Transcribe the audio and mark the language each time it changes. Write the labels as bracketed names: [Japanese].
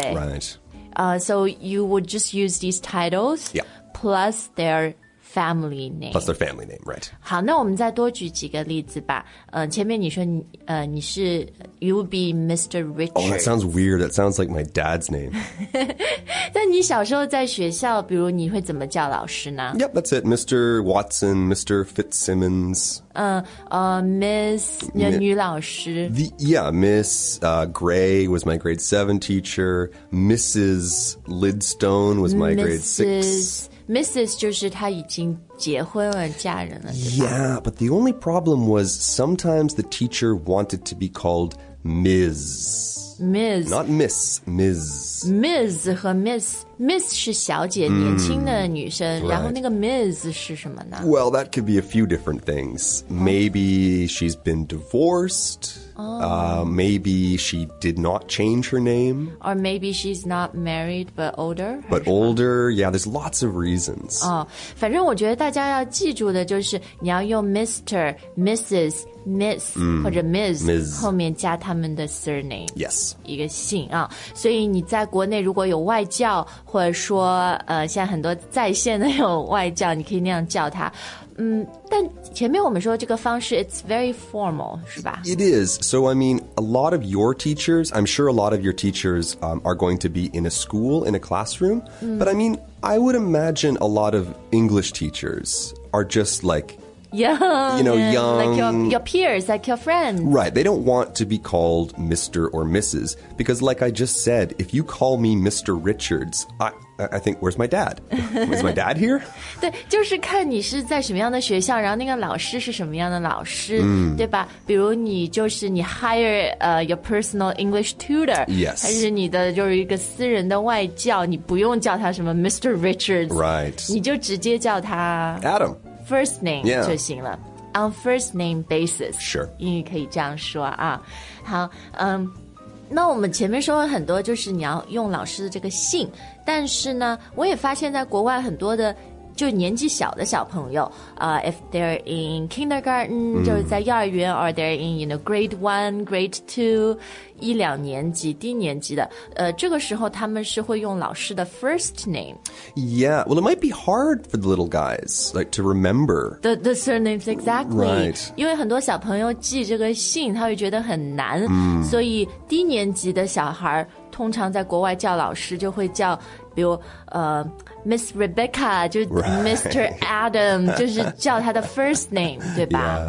[English] Right. So you would just use these titles、 yeah. plus their... Family name. Plus their family name, right. [Chinese] 好，那我们再多举几个例子吧。前面你说你是 [English] you would be Mr. Richard. Oh, that sounds weird. That sounds like my dad's name. [Chinese] 但你小时候在学校，比如你会怎么叫老师呢 [English] ？Yep, that's it. Mr. Watson, Mr. Fitzsimmons. [Chinese] Miss 女老师。 [English] Miss Gray was my grade 7 teacher. Mrs. Lidstone was my grade 6. Mrs. [Chinese] 就是她已经结婚了，嫁人了，对吧 [English] Yeah, but the only problem was sometimes the teacher wanted to be called Ms. Ms. Not Miss, Ms. [Chinese] Ms. 和 Miss. Miss 是小姐，年轻的女生。 [English] Right. [Chinese] 然后那个 Ms. 是什么呢 [English] Well, that could be a few different things. Maybe she's been divorced. Maybe she did not change her name. Or maybe she's not married, but older. But older, yeah, there's lots of reasons. [Chinese] 反正我觉得大家要记住的就是你要用 Mr., Mrs., Miss,或者 Ms. 后面加他们的 surname. [English] Yes. [Chinese] 一个姓啊。所以你在国内如果有外教或者说现在很多在线的有外教你可以那样叫他。但前面我们说这个方式 [English] it's very formal, [Chinese] 是吧 [English] It is. So, I mean, a lot of your teachers, I'm sure a lot of your teachers, are going to be in a school, in a classroom. But, I mean, I would imagine a lot of English teachers are just like young, you know, young. Like your peers, like your friends. Right. They don't want to be called Mr. or Mrs. Because like I just said, if you call me Mr. Richards, I think, where's my dad? Is my dad here? [Chinese] 对，就是看你是在什么样的学校，然后那个老师是什么样的老师，对吧？比如你就是你 [English] hire your personal English tutor, yes, [Chinese] 还是你的就是一个私人的外教，你不用叫他什么 Mr. Richards, [English] right? [Chinese] 你就直接叫他 [English] Adam first name、 yeah. [Chinese] 就行了 ， [English] on first name basis. Sure, [Chinese] 英语可以这样说啊。好，那我们前面说了很多，就是你要用老师的这个姓。但是呢，我也发现在国外很多的就年纪小的小朋友 [English] if they're in kindergarten,、 [Chinese] mm. 就是在幼儿园 [English] or they're in, you know, grade one, grade two, [Chinese] 一两年级低年级的这个时候他们是会用老师的 first name. [English] Yeah, well, it might be hard for the little guys, like, to remember. The surnames, exactly. Right. [Chinese] 因为很多小朋友记这个姓他会觉得很难、mm. 所以低年级的小孩通常在国外叫老师就会叫比如Miss Rebecca, 就是 Mr. Adam, 就是叫他的 first name, 对吧、